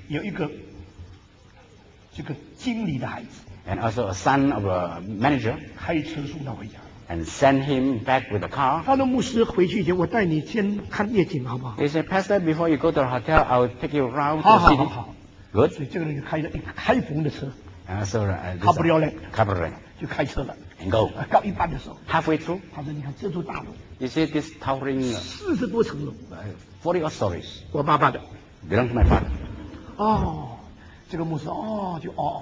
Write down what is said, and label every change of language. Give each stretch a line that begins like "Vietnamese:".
Chinese: 有一个这个经理的孩子。
English: And also a son of a manager.
Chinese: 开车送他回家。
English: And send him back with a car.
Chinese: 他的牧师回去以前，我带你先看夜景好不好
English: ？He said, Pastor, before you go to the hotel, I'll take you around.
Chinese: 好好好好。
English: Good.
Chinese: 所以这个人就开了一个开篷的车。
English: And so,
Chinese: Cabriolet. 就开车了。
English: And go.
Chinese: 到一半的时候
English: halfway through
Chinese: 他说你看这座大楼
English: you see this towering
Chinese: 四十多层楼
English: 40 odd stories
Chinese: 我爸爸的
English: belong to my father
Chinese: 哦这个牧师哦就哦